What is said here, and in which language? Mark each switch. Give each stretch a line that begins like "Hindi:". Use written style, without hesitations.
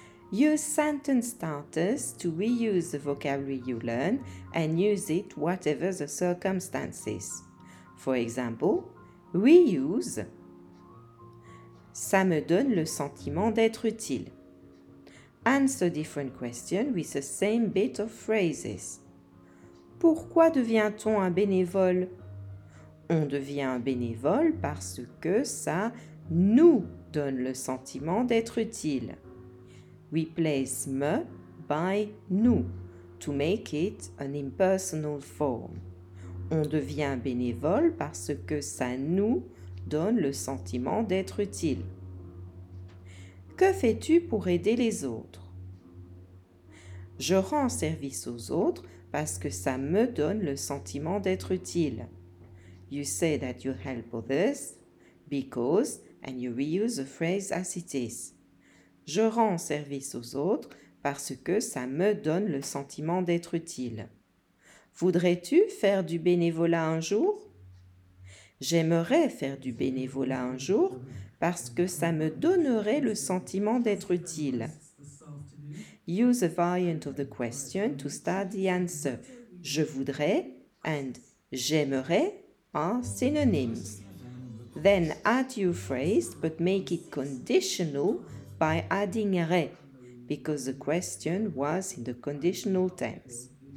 English: Use sentence starters to reuse the vocabulary you learn and use it whatever the circumstances. For example, reuse.
French: Ça me donne le sentiment d'être utile.
English: Answer different questions with the same bit of phrases.
French: Pourquoi devient-on un bénévole? On devient un bénévole parce que ça nous donne le sentiment d'être utile.
English: Replace me by nous to make it an impersonal form.
French: On devient bénévole parce que ça nous donne le sentiment d'être utile. Que fais-tu pour aider les autres? Je rends service aux autres parce que ça me donne le sentiment d'être utile.
English: You say that you help others because, and you reuse the phrase as it is.
French: Je rends service aux autres parce que ça me donne le sentiment d'être utile. Voudrais-tu faire du bénévolat un jour? J'aimerais faire du bénévolat un jour parce que ça me donnerait le sentiment d'être utile.
English: Use a variant of the question to start the answer.
French: Je voudrais
English: and
French: j'aimerais
English: are synonyms. Then add your phrase but make it conditional by adding re, because the question was in the conditional tense.